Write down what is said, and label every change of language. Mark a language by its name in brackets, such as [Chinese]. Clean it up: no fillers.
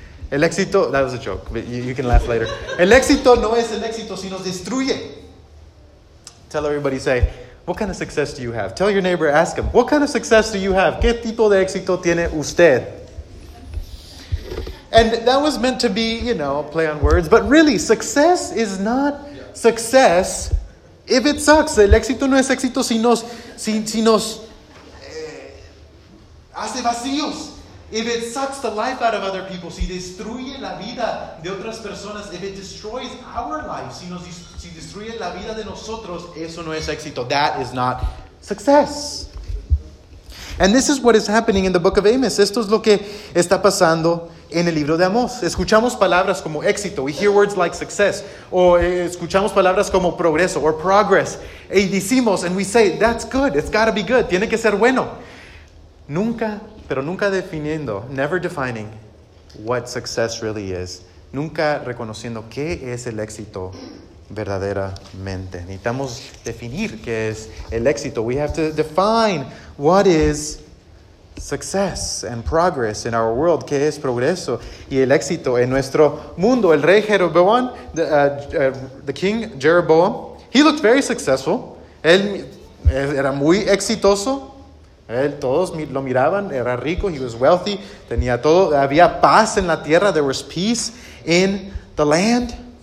[Spanish] El éxito, [English] that was a joke, but you can laugh later. [Spanish] El éxito no es el éxito si nos destruye. [English] Tell everybody, say, what kind of success do you have? Tell your neighbor, ask him, what kind of success do you have? [Spanish] ¿Qué tipo de éxito tiene usted? [English] And that was meant to be, you know, play on words. But really, success is not success if it sucks. [Spanish] El éxito no es éxito si nos hace vacíos. [English] If it sucks the life out of other people, [Spanish] si destruye la vida de otras personas, [English] if it destroys our life, [Spanish] si destruye la vida de nosotros, eso no es éxito. [English] That is not success. And this is what is happening in the book of Amos. [Spanish] Esto es lo que está pasando en el libro de Amos. Escuchamos palabras como éxito. [English] We hear words like success. [Spanish] O escuchamos palabras como progreso [English] or progress. [Spanish] Y decimos, [English] and we say, that's good. It's got to be good. [Spanish] Tiene que ser bueno. [English] Never defining what success really is. [Spanish] Nunca reconociendo qué es el éxito verdaderamente. Necesitamos definir qué es el éxito. [English] We have to define what is success and progress in our world. [Spanish] Qué es progreso y el éxito en nuestro mundo. El rey Jeroboam, [English] the king Jeroboam, he looked very successful. [Spanish] Él era muy exitoso. Él, todos lo miraban, era rico, [English] he was wealthy, [Spanish] tenía todo, había paz en la tierra, [English] there was peace in the land.